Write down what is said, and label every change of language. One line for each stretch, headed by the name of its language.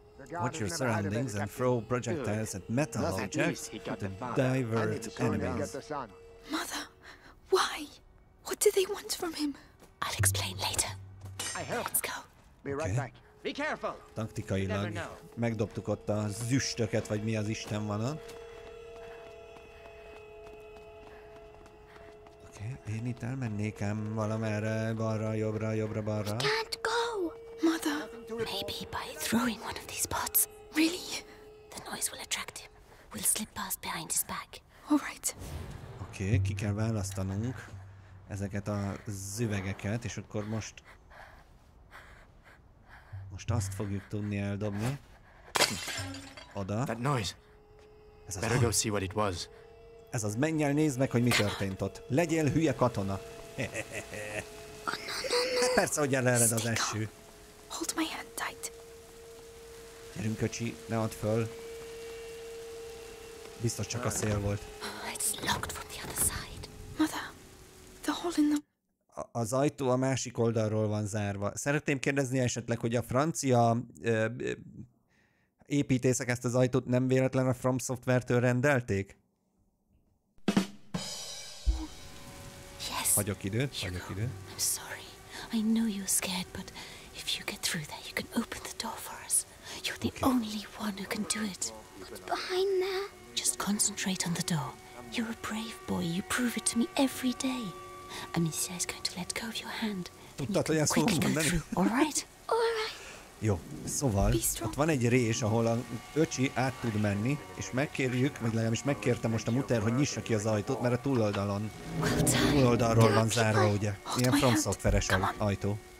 English: Watch your surroundings and throw projectiles at metal objects to divert enemies. Mother, why? What do they want from him? I'll explain later. I help. Let's go. Be right back. Be careful.
Hungarian: Taktikailag megdobtuk ott a züstöket, vagy mi az Isten van a. Oké, én itt elmennék ám valamerre, balra, jobbra, jobbra, balra.
English: We can't go. Mother. Maybe by throwing one of these pots. Really? The noise will attract him. We'll slip past behind his back. All right.
Hungarian: Oké, ki kell választanunk ezeket a züvegeket, és akkor most azt fogjuk tudni eldobni. Oda.
English: That noise. Better go see what it was.
Hungarian: Ez az, menj el, nézd meg, hogy mi történt ott. Legyél hülye katona. Hehehehe. Persze, hogy elered az eső.
English: Hold my hand tight.
Hungarian: Gyerünk, köcsi, ne add föl. Biztos csak a szél volt.
English: It's locked from the other side. Mother.
Hungarian: Az ajtó a másik oldalról van zárva. Szeretném kérdezni esetleg, hogy a francia építészek ezt az ajtót nem véletlen a From Software-től rendelték?
English: Yes.
Hungarian: Hagyok időt, hagyok időt.
English: I'm sorry. I know you're scared, but if you get through there, you can open the door for us. You're the only one who can do it. What's behind there? Just concentrate on the door. You're a brave boy. You prove it to me every day. Amicia is going to let go of your hand.
Hungarian: Tudtad, hogy ezt fogom mondani?
English: All right.
Hungarian: Jó, szóval ott van egy rés, ahol a öcsi át tud menni, és megkérjük, vagy legalábbis megkértem most a muter, hogy nyissa ki az ajtót, mert a túloldalon, túloldalról van zárva, ugye. Ilyen FromSoftware-es ajtó.